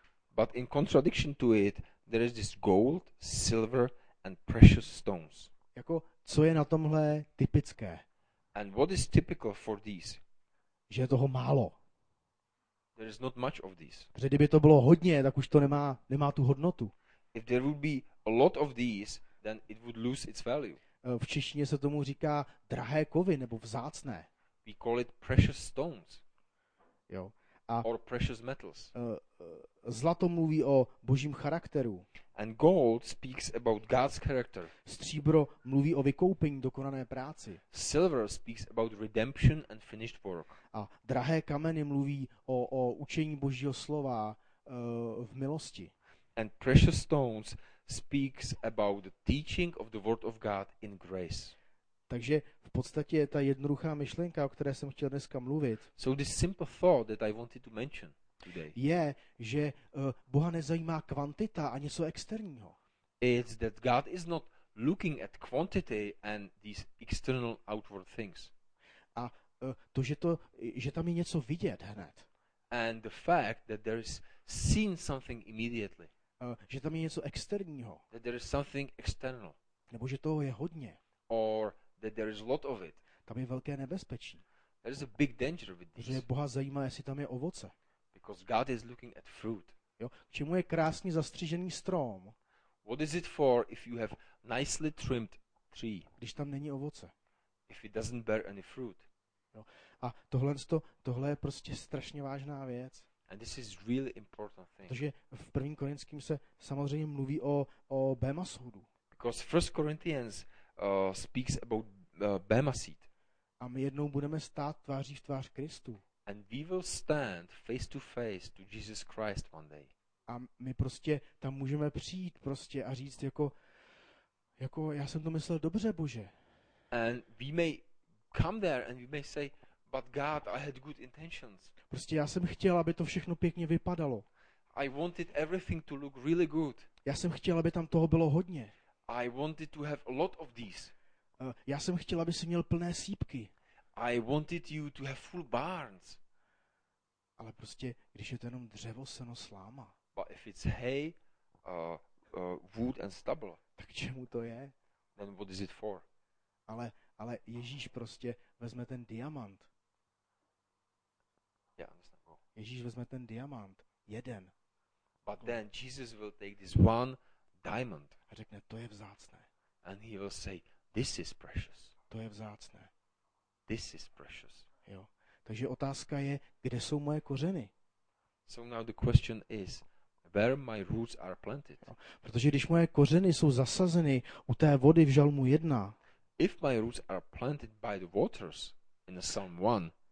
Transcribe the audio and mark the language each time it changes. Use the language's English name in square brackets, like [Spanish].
[English] But in contradiction to it, there is this gold, silver and precious stones. [Czech] Jako, co je na tomhle typické? [English] And what is typical for these? [Czech] Že je toho málo. [English] There is not much of these. [Czech] Protože kdyby to bylo hodně, tak už to nemá tu hodnotu. [English] If there would be a lot of these, then it would lose its value. [Czech] V češtině se tomu říká drahé kovy nebo vzácné. [English] We call it precious stones. [Czech] Jo. [English] A or precious metals. [Czech] Zlato mluví o Božím charakteru. [English] And gold speaks about God's character. [Czech] Stříbro mluví o vykoupení, dokonané práci. [English] Silver speaks about redemption and finished work. [Czech] A drahé kameny mluví o učení Božího slova v milosti. [English] And precious stones speaks about the teaching of the word of God in grace. [Czech] Takže v podstatě je ta jednoduchá myšlenka, o které jsem chtěl dneska mluvit. [English] So this simple thought that I wanted to mention. [Czech] Je, že Boha nezajímá kvantita a něco externího. [English] It's that God is not looking at quantity and these external outward things. [Czech] A to, že tam je něco vidět hned. [English] And the fact that there is seen something immediately. [Czech] Že tam je něco externího. [English] That there is something external. [Czech] Nebo že toho je hodně. [English] Or that there is a lot of it. [Czech] Tam je velké nebezpečí. [English] There is a big danger with this. [Czech] Protože Boha zajímá, jestli tam je ovoce. [English] Because God is looking at fruit. [Czech] Jo, k čemu je krásný zastřižený strom? [English] What is it for if you have nicely trimmed tree? [Czech] Když tam není ovoce. [English] If it doesn't bear any fruit. [Czech] Jo. A tohle je prostě strašně vážná věc. [English] And this is really important thing. [Czech] Protože v 1. Korintským se samozřejmě mluví o Bema soudu. [English] Because 1 Corinthians speaks about Bema seed. [Czech] A my jednou budeme stát tváří v tvář Kristu. [English] And we will stand face to face to Jesus Christ one day. [Czech] A my prostě tam můžeme přijít prostě a říct jako já jsem to myslel dobře, Bože. [English] And we may come there and we may say, but God, I had good intentions. [Czech] Prostě já jsem chtěl, aby to všechno pěkně vypadalo. [English] I wanted everything to look really good. [Czech] Já jsem chtěl, aby tam toho bylo hodně. [English] I wanted to have a lot of these. [Czech] Já jsem chtěl, aby si měl plné sýpky. [English] I wanted you to have full barns. [Czech] Ale prostě, když je to jenom dřevo, seno, sláma. [English] But if it's hay, wood and stubble. [Czech] Tak čemu to je? [English] Then what is it for? [Czech] Ale Ježíš prostě vezme ten diamant. [English] Yeah, understand. Well. [Czech] Ježíš vezme ten diamant, jeden. [English] But then Jesus will take this one diamond. [Czech] A řekne, to je vzácné. [English] And he will say, this is precious. [Czech] To je vzácné. [English] This is precious. [Czech] Jo. Takže otázka je, kde jsou moje kořeny? [English] So now the question is, where my roots are planted. [Czech] Jo. Protože když moje kořeny jsou zasazeny u té vody v Žalmu 1. [English] If my roots are planted by the waters in the Psalm 1.